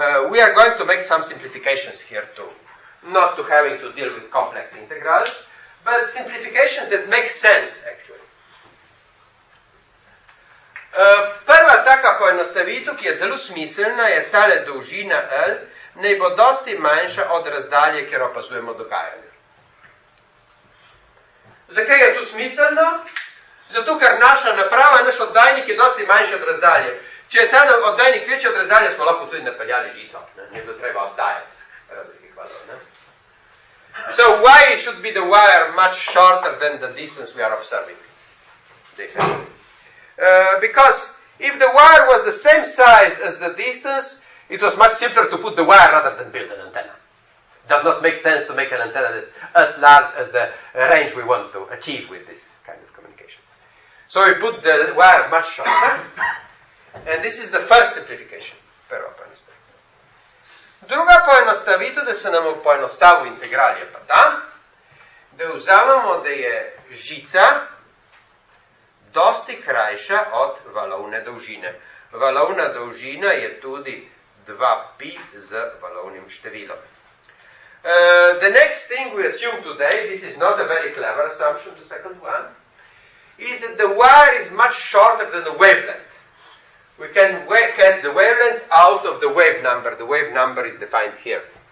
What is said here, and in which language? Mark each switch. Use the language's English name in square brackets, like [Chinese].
[English] We are going to make some simplifications here too. Not to having to deal with complex integrals, but simplifications that make sense actually. [Slovenian] Prva taka poenostavitev, ki je zelo smiselna, je tale dolžina L, naj bo dosti manjša od razdalje, kjer opazujemo dogajanje. Zakaj je to smiselno? Zato, ker naša naprava, naš oddajnik je dosti manjši od razdalje. Če je ta oddajnik večji od razdalje, smo lahko tudi napeljali žico. Ne bi treba oddajati radijskih valov. [English] So, why should be the wire much shorter than the distance we are observing? Because if the wire was the same size as the distance, it was much simpler to put the wire rather than build an antenna. Does not make sense to make an antenna that's as large as the range we want to achieve with this kind of communication. So we put the wire much shorter, and this is the first simplification. [Slovenian] Prva poenostavitev. Druga poenostavitev, da se nam poenostavi integral je pa ta, da vzamemo, da je žica dosti krajša od valovne dolžine. Valovna dolžina je tudi 2pi z valovnim številom. [English] The next thing we assume today, this is not a very clever assumption, the second one, is that the wire is much shorter than the wavelength. We can get the wavelength out of the wave number. The wave number is defined here.